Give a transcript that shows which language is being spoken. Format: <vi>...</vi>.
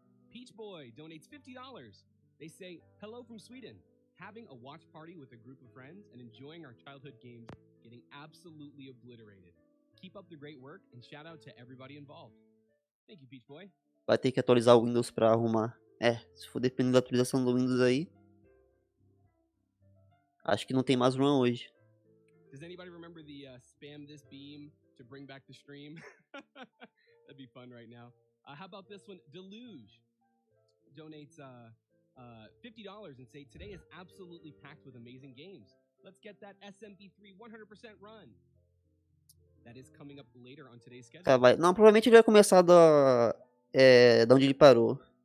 <en>Peach Boy donates $50. They say, hello from Sweden. Having a watch party with a group of friends and enjoying our childhood games getting absolutely obliterated. Keep up the great work and shout out to everybody involved. Thank you, Peach Boy.</en> <pt>Vai ter que atualizar o Windows pra arrumar. É, se for dependendo da atualização do Windows aí. Acho que não tem mais run hoje.</pt> <en>Does anybody remember the spam this beam to bring back the stream? That'd be fun right now. How about this one? Deluge donates $50 and say today is absolutely packed with amazing games. Let's get that SMB3 100% run. That is coming up later on today's schedule.</en> <pt>Tá, vai. Não, provavelmente ele vai começar da onde ele parou.</pt>